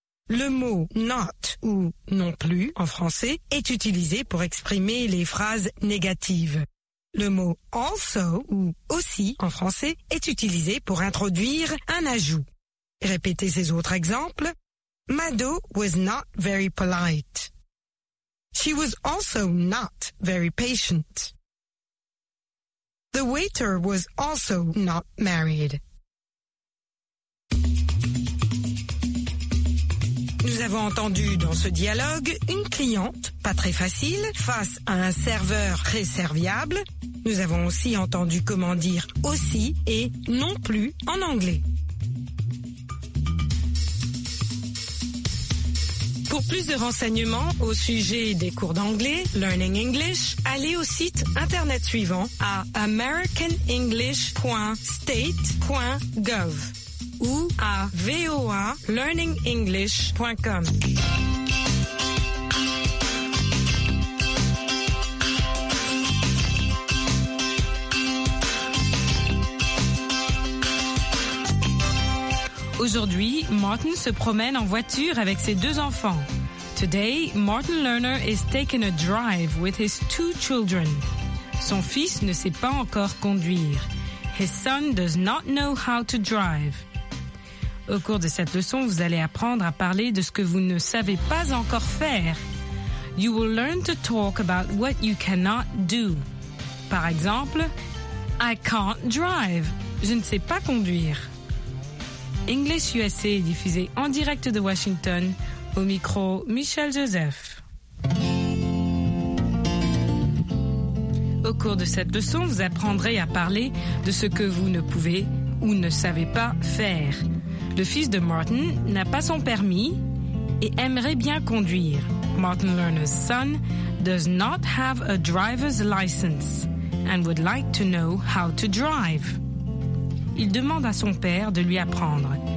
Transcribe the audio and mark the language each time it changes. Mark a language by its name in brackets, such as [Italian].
[French] Le mot not ou non plus en français est utilisé pour exprimer les phrases négatives. Le mot « also » ou « aussi » en français est utilisé pour introduire un ajout. Répétez ces autres exemples. [English] Mado was not very polite. She was also not very patient. The waiter was also not married. [French] Nous avons entendu dans ce dialogue une cliente, pas très facile, face à un serveur très serviable. Nous avons aussi entendu comment dire « aussi » et « non plus » en anglais. Pour plus de renseignements au sujet des cours d'anglais, Learning English, allez au site internet suivant à americanenglish.state.gov ou à voalearningenglish.com. Aujourd'hui, Martin se promène en voiture avec ses deux enfants. [English] Today, Martin Lerner is taking a drive with his two children. [French] Son fils ne sait pas encore conduire. [English] His son does not know how to drive. [French] Au cours de cette leçon, vous allez apprendre à parler de ce que vous ne savez pas encore faire. [English] You will learn to talk about what you cannot do. [French] Par exemple, [English] I can't drive. [French] Je ne sais pas conduire. English USA est diffusé en direct de Washington. Au micro, Michel Joseph. Au cours de cette leçon, vous apprendrez à parler de ce que vous ne pouvez ou ne savez pas faire. Le fils de Martin n'a pas son permis et aimerait bien conduire. [English] Martin Lerner's son does not have a driver's license and would like to know how to drive. [French] Il demande à son père de lui apprendre.